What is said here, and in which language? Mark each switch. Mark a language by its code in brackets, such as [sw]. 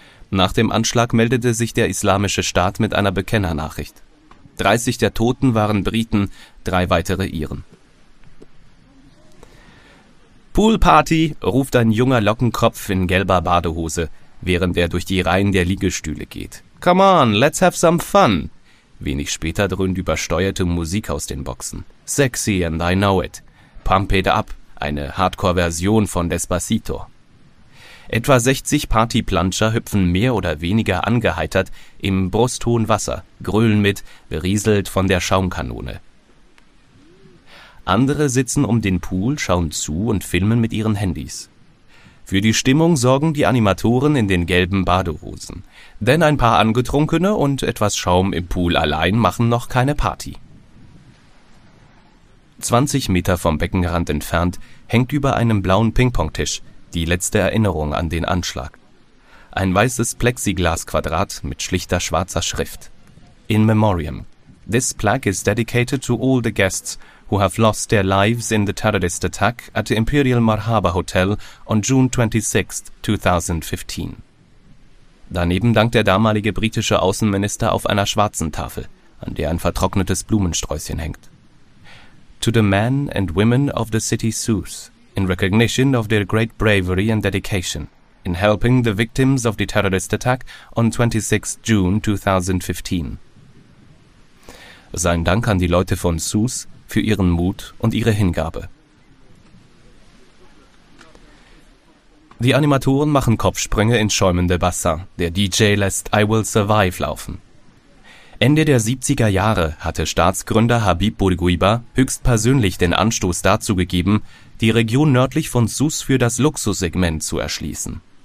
[de] Nach dem Anschlag meldete sich der Islamische Staat mit einer Bekennernachricht. 30 der Toten waren Briten, 3 weitere Iren. Poolparty, ruft ein junger Lockenkopf in gelber Badehose, während er durch die Reihen der Liegestühle geht. [en] Come on, let's have some fun! [de] Wenig später dröhnt übersteuerte Musik aus den Boxen. [en] Sexy and I know it. Pump it up. [de] Eine Hardcore-Version von Despacito. Etwa 60 Partyplanscher hüpfen mehr oder weniger angeheitert im brusthohen Wasser, grölen mit, berieselt von der Schaumkanone. Andere sitzen um den Pool, schauen zu und filmen mit ihren Handys. Für die Stimmung sorgen die Animatoren in den gelben Badehosen, denn ein paar Angetrunkene und etwas Schaum im Pool allein machen noch keine Party. 20 Meter vom Beckenrand entfernt, hängt über einem blauen Ping-Pong-Tisch die letzte Erinnerung an den Anschlag. Ein weißes Plexiglas-Quadrat mit schlichter schwarzer Schrift. In Memoriam. [en] This plaque is dedicated to all the guests who have lost their lives in the terrorist attack at the Imperial Marhaba Hotel on June 26, 2015. [de] Daneben dankt der damalige britische Außenminister auf einer schwarzen Tafel, an der ein vertrocknetes Blumensträußchen hängt. [en] To the men and women of the city Sousse, in recognition of their great bravery and dedication, in helping the victims of the terrorist attack on 26 June 2015. [de] Sein Dank an die Leute von Sousse für ihren Mut und ihre Hingabe. Die Animatoren machen Kopfsprünge ins schäumende Bassin. Der DJ lässt I Will Survive laufen. Ende der 70er Jahre hatte Staatsgründer Habib Bourguiba höchstpersönlich den Anstoß dazu gegeben, die Region nördlich von Sousse für das Luxussegment zu erschließen.